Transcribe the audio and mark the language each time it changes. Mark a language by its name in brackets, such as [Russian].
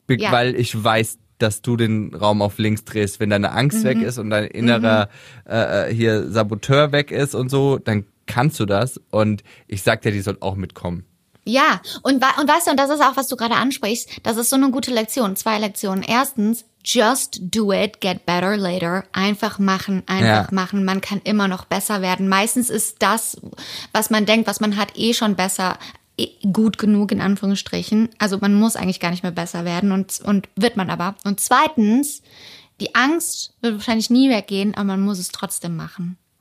[German] Weil ich weiß, dass du den Raum auf links drehst. Wenn deine Angst weg ist und dein innerer hier Saboteur weg ist und so, dann kannst du das. Und ich sag dir, die soll auch mitkommen. Ja, und weißt du, und das ist auch, was du gerade ansprichst, das ist so eine gute Lektion, zwei Lektionen. Erstens, [English] just do it, get better later. [German] Einfach machen, einfach ja. machen. Man kann immer noch besser werden. Meistens ist das, was man denkt, was man hat, eh schon besser, gut genug, in Anführungsstrichen. Also man muss eigentlich gar nicht mehr besser werden und wird man aber. Und zweitens, die Angst wird wahrscheinlich nie weggehen, aber man muss es trotzdem machen.